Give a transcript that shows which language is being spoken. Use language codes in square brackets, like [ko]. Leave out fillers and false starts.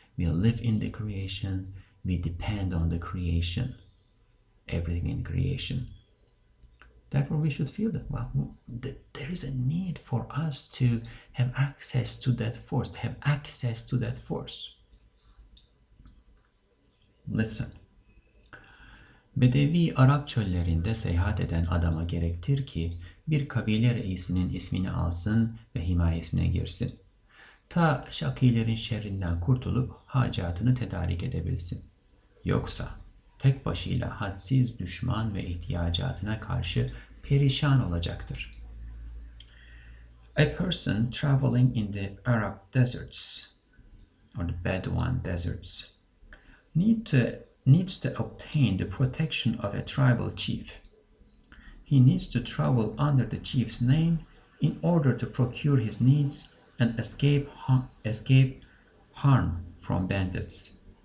[en] We live in the creation. We depend on the creation. Everything in creation. Therefore, we should feel that, well, there is a need for us to have access to that force. Listen. [tr] Bedevi Arap çöllerinde seyahat eden adama gerektir ki bir kabile reisinin ismini alsın ve himayesine girsin. Ta şakilerin şerrinden kurtulup hacatını tedarik edebilsin. Yoksa tek başıyla hadsiz düşman ve ihtiyacatına karşı perişan olacaktır. [en] A person traveling in the Arab deserts or the Bedouin deserts needs to obtain the protection of a tribal chief. He needs to travel under the chief's name in order to procure his needs and escape harm from bandits.